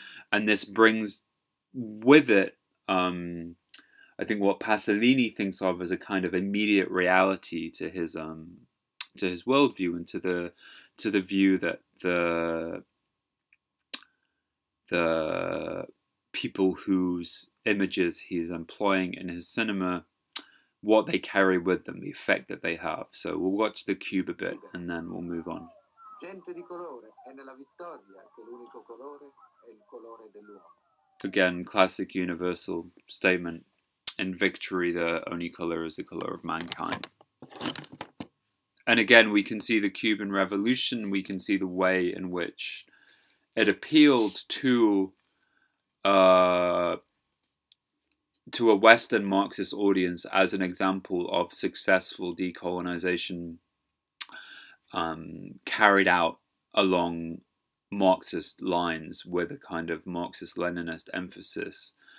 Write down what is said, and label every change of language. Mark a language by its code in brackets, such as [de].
[en] And this brings with it, I think, what Pasolini thinks of as a kind of immediate reality to his worldview, and to the view that the people whose images he's employing in his cinema what they carry with them, the effect that they have. So we'll watch the cube a bit and then we'll move on. [it] Gente di colore è nella vittoria che l'unico colore è il colore dell'uomo. [en] Again, classic universal statement. In victory, the only color is the color of mankind. And again, we can see the Cuban Revolution. We can see the way in which it appealed to a Western Marxist audience as an example of successful decolonization carried out along Marxist lines with a kind of Marxist-Leninist emphasis.